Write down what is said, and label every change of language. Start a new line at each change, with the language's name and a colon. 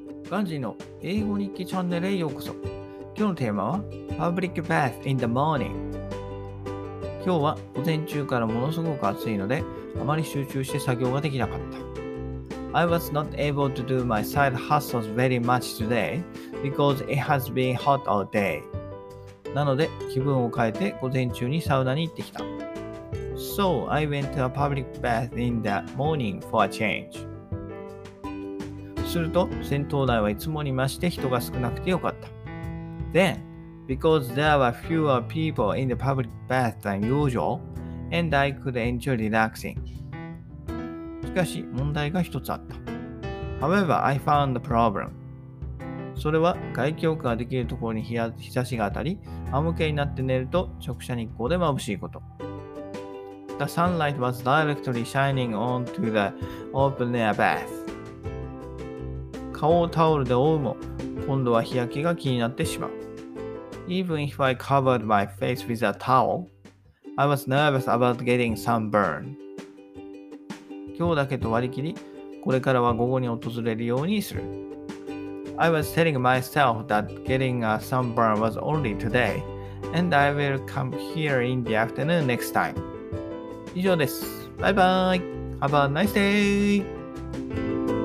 Japanese: ガンジーの英語日記チャンネルへようこそ。今日のテーマは
English: Public Bath in the Morning。
Japanese: 今日は午前中からものすごく暑いので、あまり集中して作業ができなかった。
English: I was not able to do my side hustles very much today because it has been hot all day。
Japanese: なので気分を変えて午前中にサウナに行ってきた。
English: So I went to a public bath in the morning for a change。
Japanese: すると、戦闘台はいつもに増して人が少なくてよかった。
English: Then, because there were fewer people in the public bath than usual, and I could enjoy relaxing.
Japanese: しかし、問題が一つあった。
English: However, I found the problem.
Japanese: それは、外気浴ができるところに日差しが当たり、仰向けになって寝ると直射日光で眩しいこと。
English: The sunlight was directly shining onto the open air bath.
Japanese: 顔をタオルで覆うも、今度は日焼けが気になってしまう。
English: Even if I covered my face with a towel, I was nervous about getting sunburn.
Japanese: 今日だけと割り切り、これからは午後に訪れるようにする。
English: I was telling myself that getting a sunburn was only today, and I will come here in the afternoon next time.
Japanese: 以上です。バイバイ。
English: Have a nice day!